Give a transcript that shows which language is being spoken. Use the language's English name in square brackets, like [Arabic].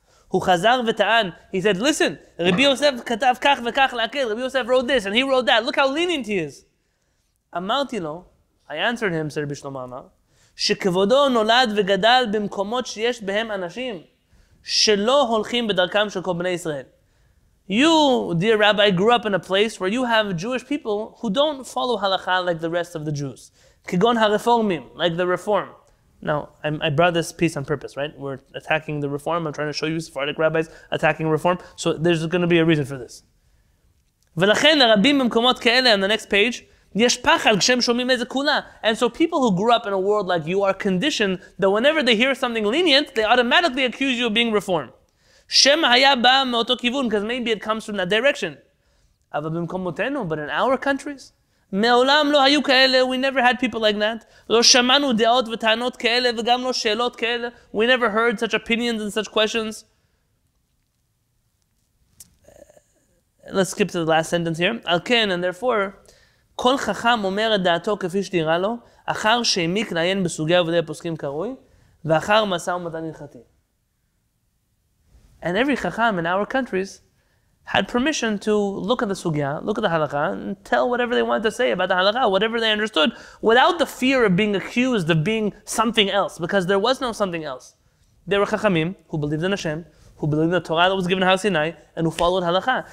[Hebrew] הוא חזר וטען, [English] he said, listen, [Hebrew] רבי יוסף כתב כך וכך להקל, [English] רבי יוסף wrote this and he wrote that, look how lenient he is. [Hebrew] אמרתי לו, [English] I answered him, said [Hebrew] רבי שלמה אמר, שכבודו נולד וגדל במקומות שיש בהם אנשים שלא הולכים בדרכם של כל בני ישראל. [English] You, dear rabbi, grew up in a place where you have Jewish people who don't follow halakha like the rest of the Jews. [Hebrew] Kigon ha-reformim, [English] like the reform. Now, I brought this piece on purpose, right? We're attacking the reform. I'm trying to show you Sephardic rabbis attacking reform. So there's going to be a reason for this. [Hebrew] ולכן הרבים במקומות כאלה, [English] on the next page, [Hebrew] יש פחד כשהם שומעים איזה קולה. [English] And so people who grew up in a world like you are conditioned that whenever they hear something lenient, they automatically accuse you of being reform. [Hebrew] שם היה בא מאותו כיוון, [English] because maybe it comes from that direction. [Hebrew] אבל במקומותינו, [English] but in our countries, [Hebrew] מעולם לא היו כאלה, [English] we never had people like that. [Hebrew] לא שמענו דעות וטענות כאלה, וגם לא שאלות כאלה. [English] We never heard such opinions and such questions. Let's skip to the last sentence here. [Hebrew] על כן, [English] and therefore, [Hebrew] כל חכם אומר את דעתו כפי שנראה לו, אחר שהעמיק לעיין בסוגי עבודי הפוסקים קרוי, ואחר מסע ומתן הלכתי. [English] And every chacham in our countries had permission to look at the sugya, look at the halakha, and tell whatever they wanted to say about the halakha, whatever they understood, without the fear of being accused of being something else, because there was no something else. There were chachamim who believed in Hashem, who believed in the Torah that was given to Har Sinai, and who followed halakha.